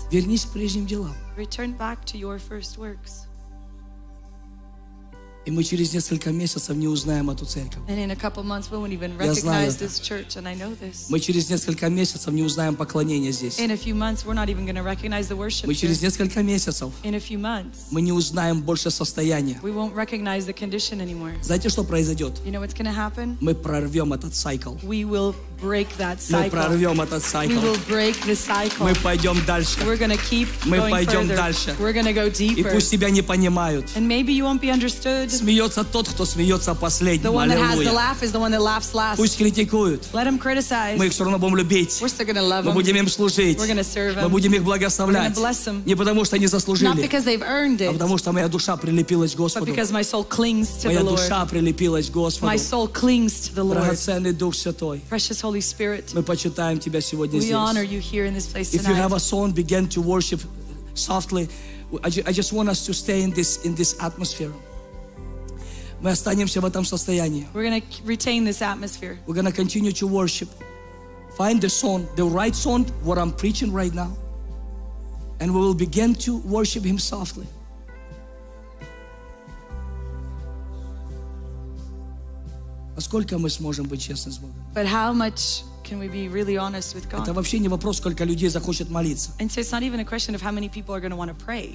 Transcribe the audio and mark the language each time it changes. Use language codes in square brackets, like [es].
[ru] вернись к прежним делам. [en] Return back to your first works. [ru] И мы через несколько месяцев не узнаем эту церковь. [en] And in a couple months we won't even recognize this church, and I know this. [ru] Мы через несколько месяцев не узнаем поклонение здесь. [en] In a few months we're not even going to recognize the worship. [ru] Мы через несколько месяцев. [en] In a few months. [ru] Мы не узнаем больше состояния. [en] We won't recognize the condition anymore. [ru] Знаете, что произойдет? [en] You know what's going to happen? [ru] Мы прорвем этот цикл. [en] We will break that cycle. [ru] Мы прорвем этот цикл. [en] We will break the cycle. [ru] Мы пойдем дальше. [en] We're going to keep [ru] мы [en] going [ru] пойдем [en] further. [ru] Дальше. [en] We're going to go deeper. [ru] И пусть тебя не понимают. [en] And maybe you won't be understood. [ru] Смеется тот, кто смеется последним. [en] The one That has the laugh is the one that laughs last. [ru] Пусть критикуют. [en] Let them criticize. [ru] Мы их все равно будем любить. [en] We're still gonna love [ru] мы будем им служить. [en] We're gonna serve [ru] мы будем их благословлять. [en] We're gonna bless them. [ru] Не потому, что они заслужили. [en] Not because they've earned it. [ru] А потому, что моя душа прилепилась к Господу. [en] But because my soul clings to [ru] моя [en] the Lord. [ru] Моя душа прилепилась к Господу. [en] My soul clings to the Lord. [ru] Драгоценный Дух Святой. [en] Precious Holy Spirit. [ru] Мы почитаем тебя сегодня [en] we [ru] здесь. [en] We honor you here in this place tonight. If you have a song, begin to worship softly. I just want us to stay in this atmosphere. [ru] Мы останемся в этом состоянии. [en] We're going to retain this atmosphere. We're going to continue to worship. Find the song, the right song, what I'm preaching right now. And we will begin to worship Him softly. [ru] Насколько мы сможем быть честны с Богом? [en] But how much can we be really honest with God? [ru] Это вообще не вопрос, сколько людей захочет молиться. [en] And so it's not even a question of how many people are going to want to pray.